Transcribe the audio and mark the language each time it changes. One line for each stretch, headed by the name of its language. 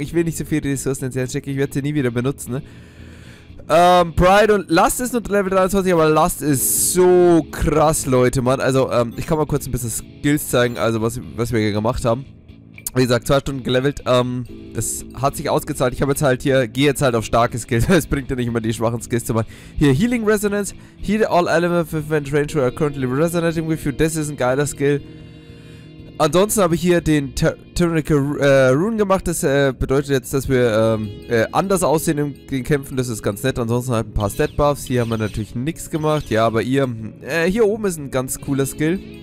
German: Ich will nicht so viele Ressourcen ins Herz stecken. Ich werde sie nie wieder benutzen. Ne? Pride und Last ist nur Level 23, aber Last ist so krass, Leute, Mann. Also ich kann mal kurz ein bisschen Skills zeigen, also was wir hier gemacht haben. Wie gesagt, 2 Stunden gelevelt. Das hat sich ausgezahlt. Ich habe jetzt halt hier, gehe jetzt halt auf starke Skills. Es bringt ja nicht immer die schwachen Skills zu machen. Hier Healing Resonance.
English: Heal all elements within range who are currently resonating with you.
German: Das ist ein geiler Skill. Ansonsten habe ich hier den Tyrannical Rune gemacht. Das bedeutet jetzt, dass wir anders aussehen in den Kämpfen. Das ist ganz nett. Ansonsten halt ein paar Stat Buffs. Hier haben wir natürlich nichts gemacht. Ja, aber ihr. Hier oben ist ein ganz cooler Skill.